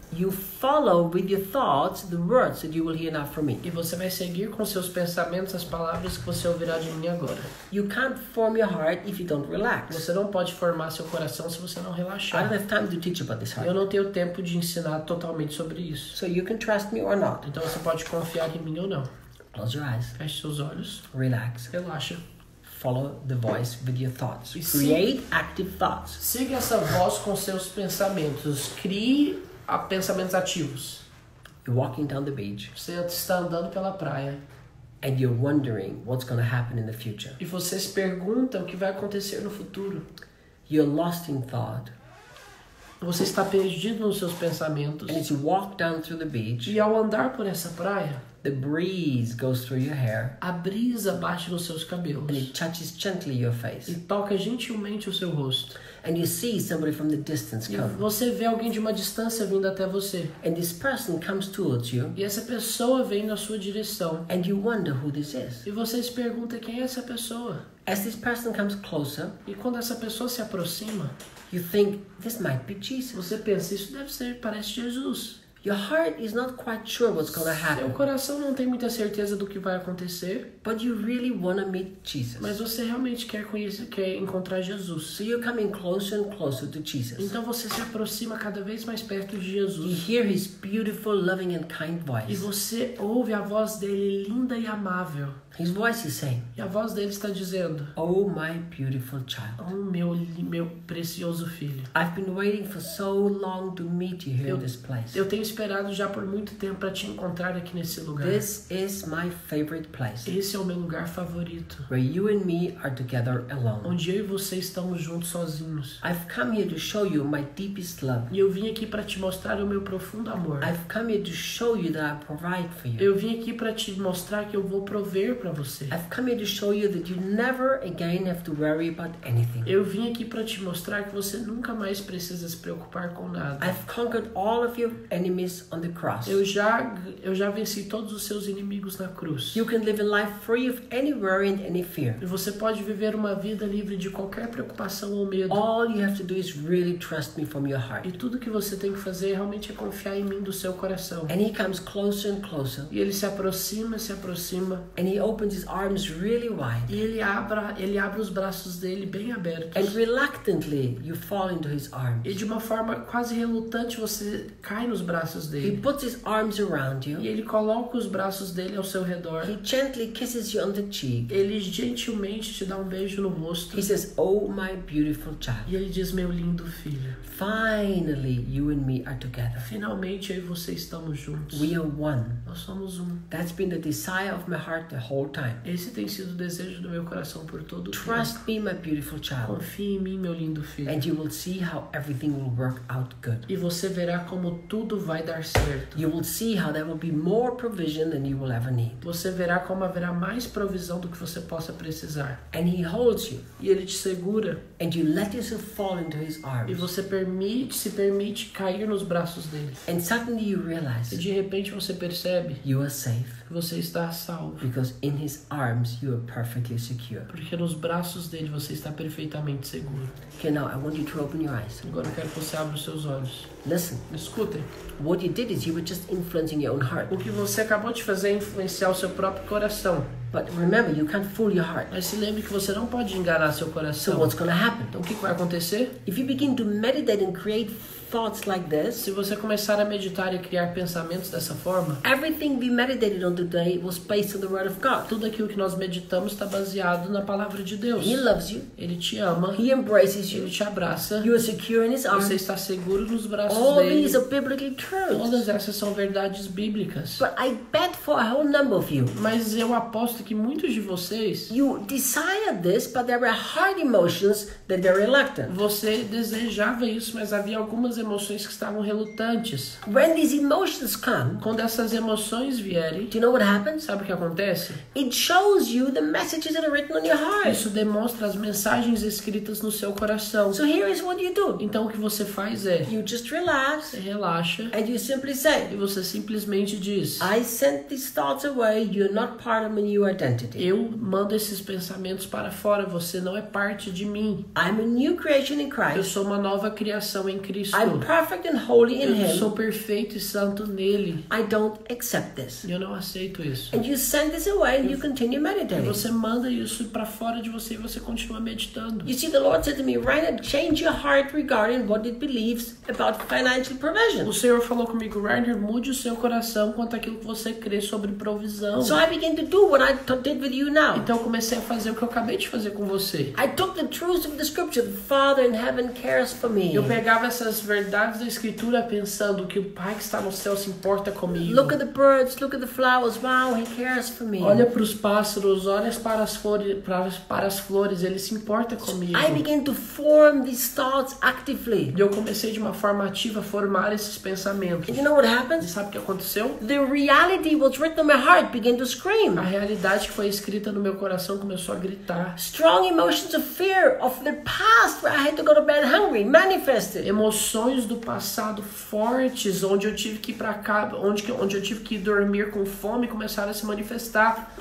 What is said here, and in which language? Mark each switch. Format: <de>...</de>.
<en>You follow with your thoughts the words that you will hear now from me.</en> <pt>E você vai seguir com seus pensamentos as palavras que você ouvirá de mim agora.</pt> <en>You can't form your heart if you don't relax.</en> <pt>Você não pode formar seu coração se você não relaxar.</pt> <en>I don't have time to teach about this heart.</en> <pt>Eu não tenho tempo de ensinar totalmente sobre isso.</pt> <en>So you can trust me or not.</en> <pt>Então você pode confiar em mim ou não.</pt> <en>Close your eyes.</en> <pt>Feche seus olhos.</pt> <en>Relax.</en> <pt>Relaxa.</pt> <en>Follow the voice with your thoughts. Create active thoughts.</en> <pt>Siga essa voz com seus pensamentos. Crie a pensamentos ativos.</pt> <en>You're walking down the beach.</en> <pt>Você está andando pela praia.</pt> <en>And you're wondering what's going to happen in the future.</en> <pt>E você se pergunta o que vai acontecer no futuro.</pt> <en>You're lost in thought.</en> <pt>Você está perdido nos seus pensamentos.</pt> <en>And as you walk down through the beach.</en> <pt>E ao andar por essa praia.</pt> <en>The breeze goes through your hair.</en> <pt>A brisa bate nos seus cabelos.</pt> <en>And it touches gently your face.</en> <pt>E toca gentilmente o seu rosto.</pt> <en>And you see somebody from the distance come.</en> <pt>E você vê alguém de uma distância vindo até você.</pt> <en>And this person comes towards you.</en> <pt>E essa pessoa vem na sua direção.</pt> <en>And you wonder who this is.</en> <pt>E você se pergunta quem é essa pessoa.</pt> <en>As this person comes closer.</en> <pt>E quando essa pessoa se aproxima.</pt> <en>You think, this might be Jesus.</en> <pt>Você pensa, isso deve ser, parece Jesus.</pt> <en>Your heart is not quite sure what's going to happen.</en> <pt>Seu coração não tem muita certeza do que vai acontecer.</pt> <en>But you really want to meet Jesus.</en> <pt>Mas você realmente quer conhecer, quer encontrar Jesus.</pt> <en>So you're coming closer and closer to Jesus.</en> <pt>Então você se aproxima cada vez mais perto de Jesus.</pt> <en>You hear his beautiful, loving and kind voice.</en> <pt>E você ouve a voz dele linda e amável.</pt> <en>His voice is saying.</en> <pt>E a voz dele está dizendo.</pt> <en>Oh, my beautiful child.</en> <pt>Oh, meu precioso filho.</pt> <en>I've been waiting for so long to meet you here in this place.</en> <pt>Eu tenho esperado já por muito tempo para te encontrar aqui nesse lugar.</pt> <en>This is my favorite place.</en> <pt>Esse é o meu lugar favorito.</pt> <en>Where you and me are together alone.</en> <pt>Onde eu e você estamos juntos sozinhos.</pt> <en>I've come here to show you my deepest love.</en> <pt>E eu vim aqui para te mostrar o meu profundo amor.</pt> <en>I've come here to show you that I provide for you.</en> <pt>Eu vim aqui para te mostrar que eu vou prover para você.</pt> <en>I've come here to show you that you never again have to worry about anything.</en> <pt>Eu vim aqui para te mostrar que você nunca mais precisa se preocupar com nada.</pt> <en>I've conquered all of your enemies on the cross.</en> <pt>Eu já venci todos os seus inimigos na cruz.</pt> <en>You can live a life free of any worry and any fear.</en> <pt>E você pode viver uma vida livre de qualquer preocupação ou medo.</pt> <en>All you have to do is really trust me from your heart.</en> <pt>E tudo que você tem que fazer realmente é confiar em mim do seu coração.</pt> <en>And he comes closer and closer.</en> <pt>E ele se aproxima.</pt> <en>And he opens his arms really wide.</en> <pt>E ele abre os braços dele bem abertos.</pt> <en>And reluctantly you fall into his arms.</en> <pt>E de uma forma quase relutante você cai nos braços dele.</pt> <en>He puts his arms around you.</en> <pt>E ele coloca os braços dele ao seu redor.</pt> <en>He gently kisses you on the cheek.</en> <pt>Ele gentilmente te dá um beijo no rosto.</pt> <en>He says, "Oh, my beautiful child."</en> <pt>E ele diz, meu lindo filho.</pt> <en>Finally, you and me are together.</en> <pt>Finalmente eu e você estamos juntos.</pt> <en>We are one.</en> <pt>Nós somos um.</pt> <en>That's been the desire of my heart the whole time.</en> <pt>Esse tem sido o desejo do meu coração por todo o tempo.</pt> <en>Trust me, my beautiful child.</en> <pt>Confie em mim, meu lindo filho.</pt> <en>And you will see how everything will work out good.</en> <pt>E você verá como tudo vai dar certo.</pt> <en>You will see how there will be more provision than you will ever need.</en> <pt>Você verá como haverá mais provisão do que você possa precisar.</pt> <en>And he holds you.</en> <pt>E ele te segura.</pt> <en>And you let yourself fall into his arms.</en> <pt>E você se permite cair nos braços dele.</pt> <en>And suddenly you realize.</en> <pt>E de repente você percebe.</pt> <en>You are safe.</en> <pt>Você está a salvo.</pt> <en>Because in in his arms you are perfectly secure.</en> <pt>Porque nos braços dele você está perfeitamente seguro.</pt> <en>Okay, now I want you to open your eyes.</en> <pt>Agora eu quero que você abra os seus olhos.</pt> <en>Listen.</en> <pt>Escute.</pt> <en>What you did is you were just influencing your own heart.</en> <pt>O que você acabou de fazer é influenciar o seu próprio coração.</pt> <en>But remember, you can't fool your heart.</en> <pt>Mas se lembre que você não pode enganar seu coração.</pt> <en>So what's going to happen?</en> <pt>Então, o que vai acontecer?</pt> <en>If you begin to meditate and create thoughts like this,</en> <pt>se você começar a meditar e criar pensamentos dessa forma,</pt> <en>everything we meditated on today was based on the word of God.</en> <pt>Tudo aquilo que nós meditamos está baseado na palavra de Deus.</pt> <en>He loves you.</en> <pt>Ele te ama.</pt> <en>He embraces you.</en> <pt>Ele te abraça.</pt> <en>You are secure in his arms.</en> <pt>Você está seguro nos braços</pt> <en>All</en> <pt>dele.</pt> <en>All these are biblically true.</en> <pt>Todas essas são verdades bíblicas.</pt> <en>But I bet for a whole number of you.</en> <pt>Mas eu aposto que muitos de vocês,</pt> <en>you desire this, but there are hard emotions that they're reluctant.</en> <pt>Você desejava isso, mas havia algumas emoções que estavam relutantes.</pt> <en>When these emotions come,</en> <pt>quando essas emoções vierem,</pt> <en>do you know what happens?</en> <pt>Sabe o que acontece?</pt> <en>It shows you the messages that are written on your heart.</en> <pt>Isso demonstra as mensagens escritas no seu coração.</pt> <en>So here is what you do.</en> <pt>Então o que você faz é,</pt> <en>you just relax.</en> <pt>Você relaxa.</pt> <en>And you simply say,</en> <pt>e você simplesmente diz,</pt> <en>I sent these thoughts away. You're not part of me. Identity.</en> <pt>Eu mando esses pensamentos para fora. Você não é parte de mim.</pt> <en>I'm a new creation in Christ.</en> <pt>Eu sou uma nova criação em Cristo.</pt> <en>I'm perfect and holy in Him.</en> <pt>Eu sou perfeito e santo nele.</pt> <en>I don't accept this.</en> <pt>Eu não aceito isso.</pt> <en>And you send this away and you continue meditating.</en> <pt>E você manda isso para fora de você e você continua meditando.</pt> <en>You see, the Lord said to me, Reinhard, change your heart regarding what it believes about financial provision.</en> <pt>O Senhor falou comigo, Reinhard, mude o seu coração quanto àquilo que você crê sobre provisão.</pt> <en>So I began to do what I did with you now.</en> <pt>Então comecei a fazer o que eu acabei de fazer com você.</pt> <en>I took the truth of the scripture, the Father in heaven cares for me.</en> <pt>Eu pegava essas verdades da escritura pensando que o Pai que está no céu se importa comigo.</pt> <en>Look at the birds, look at the flowers, wow, he cares for me.</en> <pt>Olha para os pássaros, olha para as flores, para as flores, ele se importa comigo.</pt> <en>I began to form these thoughts actively.</en> <pt>Eu comecei de uma forma ativa a formar esses pensamentos.</pt> <en>And you know what happened?</en> <pt>Sabe o que aconteceu?</pt> <en>The reality was written on my heart began to scream.</en> <pt>A realidade que foi escrita no meu coração começou a gritar.</pt> <en>Strong emotions of fear of the past where I had to go to bed hungry manifested.</en> <pt>Emoções do passado fortes onde eu tive que ir para casa, onde eu tive que dormir com fome começaram a se manifestar.</pt>